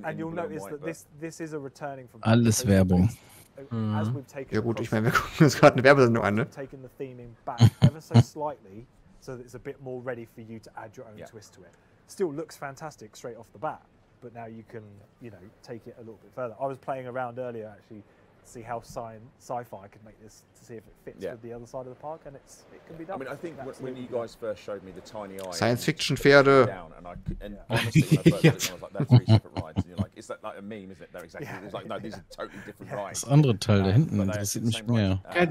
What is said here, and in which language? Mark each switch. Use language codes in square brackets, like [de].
[en] And you'll notice that this is a returning from... [de] Alles Werbung. Ja gut, ich meine, wir gucken uns gerade eine Werbesendung an, ne? [en] We've taken the theming back ever so slightly, so that it's a bit more ready for you to add your own twist to it. Still looks fantastic straight off the bat, but now you can, you know, take it a little bit further. I was playing around earlier, actually, to see how sci-fi could make this, to see if it fits with the other side of the park, and it can be done. I mean, I think when you guys first showed me the tiny eye... [de] Science fiction Pferde. [en] Down, and honestly, when I first was like, that's three different rides, and you're like, is that like a meme, isn't it? They're exactly, it's like, no, these are totally different rides. [de] Das andere Teil da hinten interessiert mich mehr.